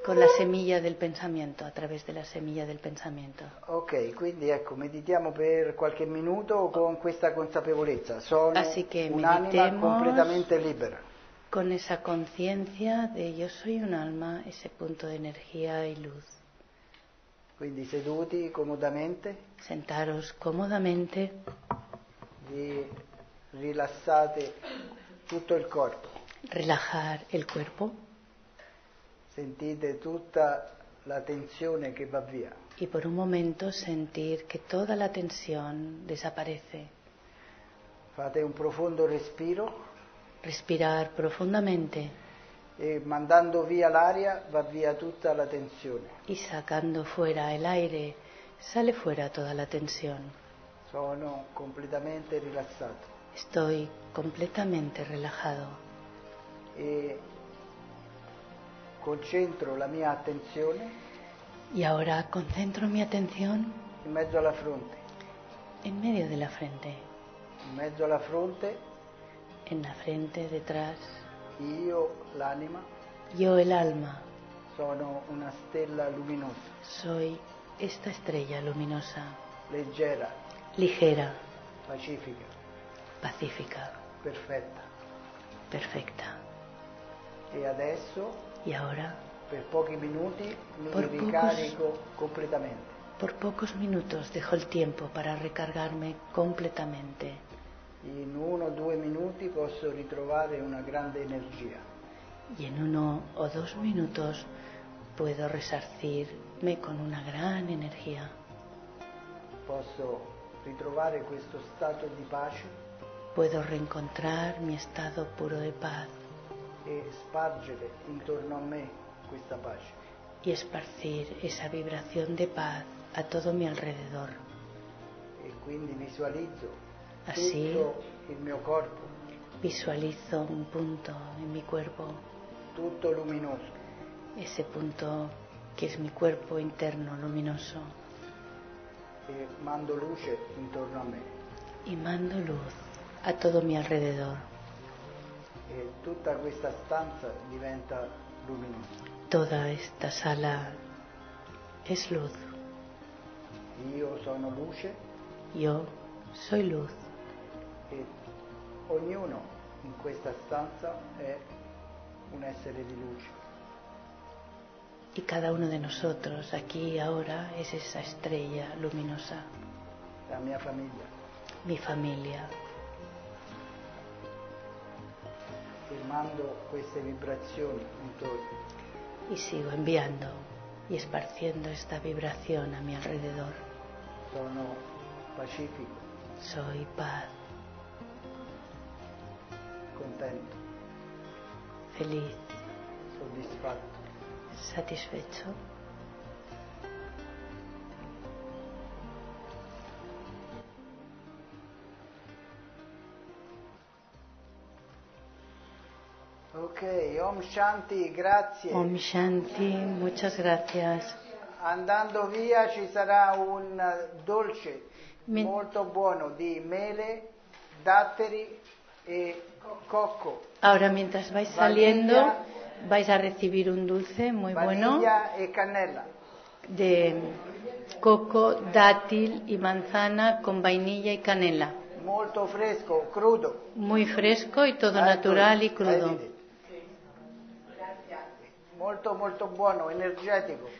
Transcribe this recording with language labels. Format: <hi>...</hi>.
<es>la semilla del pensamiento, a través de la semilla del pensamiento.</es> <it>Ok, quindi ecco, meditiamo per qualche minuto con questa consapevolezza. Sono</it> <es>Así que meditemos completamente libera. Con esa conciencia de yo soy un alma, ese punto de energía y luz.</es> <it>Quindi seduti comodamente.</it> <es>Sentaros comodamente.</es> <it>Y rilassate tutto il corpo.</it> <es>Relajar el cuerpo.</es> <it>Sentite tutta la tensione che va via.</it> <es>Y por un momento sentir que toda la tensión desaparece.</es> <it>Fate un profondo respiro.</it> <es>Respirar profundamente.</es> <it>E mandando via l'aria va via tutta la tensione.</it> <es>Y sacando fuera el aire sale fuera toda la tensión.</es> <it>Sono completamente rilassato.</it> <es>Estoy completamente relajado.</es> <it>E concentro la mia attenzione.</it> <es>Y ahora concentro mi atención.</es> <it>In mezzo alla fronte.</it> <es>En medio de la frente.</es> <it>In mezzo alla fronte.</it> <es>En la frente, detrás.</es> <it>Io l'anima.</it> <es>Yo el alma.</es> <it>Sono una stella luminosa.</it> <es>Soy esta estrella luminosa.</es> <it>Leggera.</it> <es>Ligera.</es> <it>Pacifica.</it> <es>Pacifica.</es> <it>Perfetta.</it> <es>Perfecta.</es> <it>E adesso.</it> <es>Y ahora.</es> <it>Per pochi minuti mi ricarico completamente.</it> <es>Por pocos minutos dejo el tiempo para recargarme completamente.</es> <it>In uno o due minuti posso ritrovare una grande energia.</it> <es>Y en uno o dos minutos puedo resarcirme con una gran energía.</es> <it>Posso ritrovare questo stato di pace.</it> <es>Puedo reencontrar mi estado puro de paz.</es> <it>E spargere intorno a me questa pace.</it> <es>Y esparcir esa vibración de paz a todo mi alrededor.</es> <it>E quindi visualizzo.</it> <es>Así,</es> <it>tutto il mio corpo,</it> <es>visualizo un punto en mi cuerpo,</es> <it>tutto luminoso,</it> <es>ese punto que es mi cuerpo interno luminoso,</es> <it>e mando luce intorno a me,</it> <es>y mando luz a todo mi alrededor,</es> <it>e tutta questa stanza diventa luminosa,</it> <es>toda esta sala es luz,</es> <it>io sono luce,</it> <es>yo soy luz.</es> <it>E ognuno in questa stanza è un essere di luce.</it> <es>Y cada uno de nosotros aquí ahora es esa estrella luminosa.</es> <it>La mia famiglia.</it> <es>Mi familia.</es> <it>E mando queste vibrazioni intorno.</it> <es>Y sigo enviando y esparciendo esta vibración a mi alrededor.</es> <it>Sono pacifico.</it> <es>Soy paz.</es> <it>Contento.</it> <es>Feliz.</es> <it>Soddisfatto.</it> <es>Satisfecho.</es> <it>Ok, Om Shanti, grazie.</it> <es>Om Shanti, muchas gracias.</es> <it>Andando via ci sarà un dolce molto buono di mele, datteri e cocco.</it> <es>Ahora mientras vais saliendo vais a recibir un dulce muy bueno e canela. De coco, dátil y manzana con vainilla y canela.</es> <it>Molto fresco, crudo.</it> <es>Muy fresco y todo natural y crudo.</es> <it>Molto, molto buono, energético.</it>